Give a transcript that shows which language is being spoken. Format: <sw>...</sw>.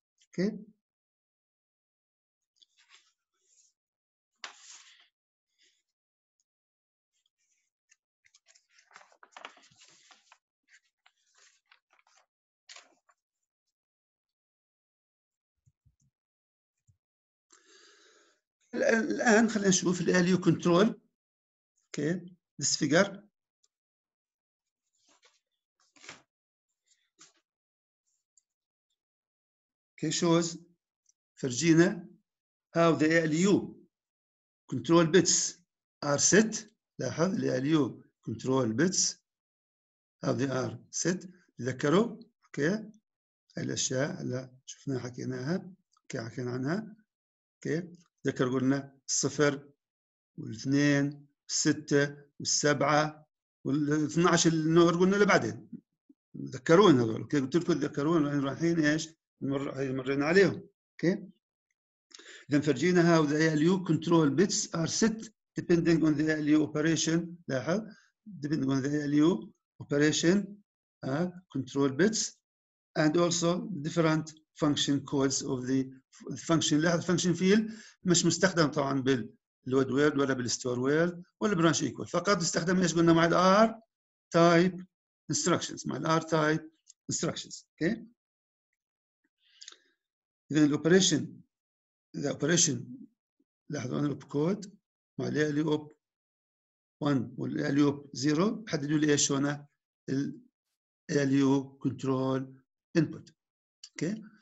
<ar>اوكي الان خلينا نشوف الـ ALU control.</ar> <en>okay this figure shows</en> <ar>فرجينا</ar> <en>how the ALU control bits are set.</en> <ar>لاحظ</ar> <en>الـ ALU control bits how they are set.</en> <ar>تذكروا اوكي هاي الاشياء هلا شفناها حكيناها اوكي حكينا عنها اوكي ذكر قلنا الصفر والاثنين والستة والسبعة والاثناعش النور قلنا لبعدين ذكرون هذول اوكي قلت لكم ذكرون وين رايحين ايش؟ هاي مرينا عليهم اوكي اذا فرجينا</ar> <en>How the ALU control bits are set depending on the ALU operation.</en> <ar>لاحظ</ar> <en>depending on the ALU operation control bits and also different function calls of the function.</en> <ar>لاحظ function field مش مستخدم طبعا بالload world ولا بالstore world ولا branch equal فقط استخدم ايش قلنا مع ال R type instructions okay. إذن الoperation لاحظوا عن الopcode مع ال ALUop 1 وال ALUop 0 حددوا لي ايش هنا ال ALU control input okay.</ar>